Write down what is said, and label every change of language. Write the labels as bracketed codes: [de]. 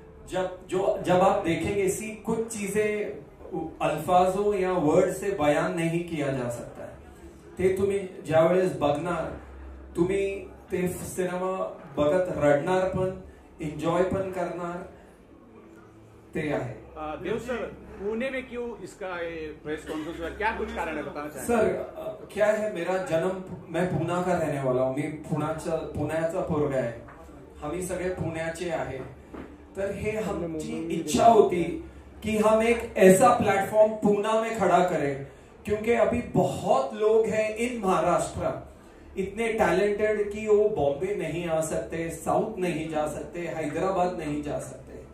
[hi] जब आप देखेंगे सी कुछ चीजें अल्फाजों या वर्ड से बयान नहीं किया जा सकता है, [mr] ते तुम्ही ज्यावेळेस बघणार तुम्ही ते सिनेमा बघत रडणार पण एन्जॉय पण करणार ते आहे। [hi] देव सर पुणे में क्यों इसका प्रेस कॉन्फ्रेंस हुआ, क्या कुछ कारण है बताना चाहेंगे? सर क्या है, मेरा जन्म, मैं पुणे का रहने वाला हूँ, मैं [mr] पुण्याचा पोरगा आहे, हमी सगळे पुण्याचे आहे। तर हे आमची इच्छा होती [hi] कि हम एक ऐसा प्लॅटफॉर्म पुणे में खड़ा करें, क्योंकि अभी बहुत लोग हैं इन महाराष्ट्र इतने टैलेंटेड कि वो बॉम्बे नहीं आ सकते, साउथ नहीं जा सकते, हैदराबाद नहीं जा सकते।